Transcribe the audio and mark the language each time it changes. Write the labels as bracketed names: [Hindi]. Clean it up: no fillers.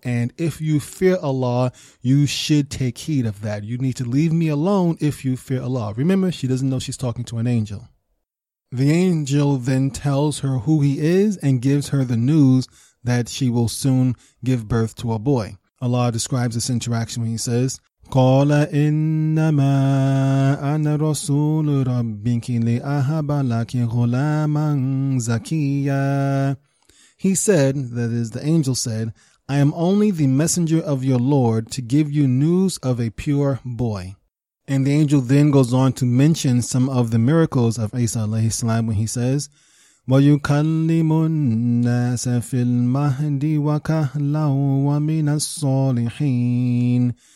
[English] And if you fear Allah, you should take heed of that. You need to leave me alone if you fear Allah. Remember, she doesn't know she's talking to an angel. The angel then tells her who he is and gives her the news that she will soon give birth to a boy. Allah describes this interaction when he says, [Arabic] قَالَ إِنَّمَا أَنَا رَسُولُ رَبِّكِ لِأَهَبَ لَكِ غُلَامًا زَكِيًّا. [English] He said, that is, the angel said, I am only the messenger of your Lord to give you news of a pure boy. And the angel then goes on to mention some of the miracles of Isa alayhi salam when he says, [Arabic] وَيُكَلِّمُ النَّاسَ فِي الْمَهْدِ وَكَهْلًا وَمِنَ الصَّالِحِينَ.